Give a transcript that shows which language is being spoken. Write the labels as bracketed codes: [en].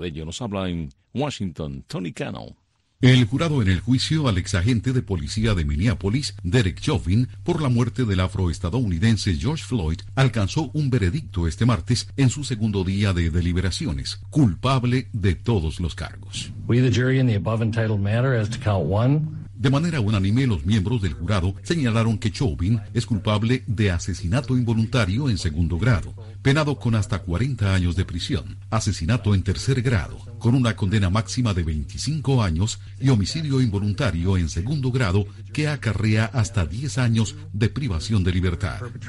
[es] De ello nos habla en Washington, Tony Cano. El jurado en el juicio al exagente de policía de Minneapolis, Derek Chauvin, por la muerte del afroestadounidense George Floyd, alcanzó un veredicto este martes en su segundo día de deliberaciones, culpable de todos los cargos. [en] We the jury in the above entitled matter as to count one. [es] De manera unánime, los miembros del jurado señalaron que Chauvin es culpable de asesinato involuntario en segundo grado, penado con hasta 40 años de prisión, asesinato en tercer grado, con una condena máxima de 25 años y homicidio involuntario en segundo grado que acarrea hasta 10 años de privación de libertad.